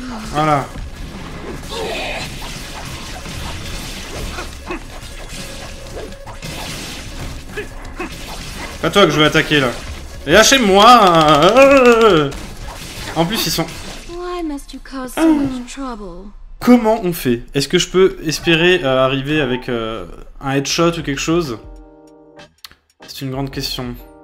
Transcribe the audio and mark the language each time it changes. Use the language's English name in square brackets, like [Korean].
[French] Voilà. Pas toi que je veux attaquer là. Et lâchez-moi! En plus ils sont... [English] Why must you cause so much trouble? [French] Comment on fait? Est-ce que je peux espérer arriver avec un headshot ou quelque chose? C'est une grande question.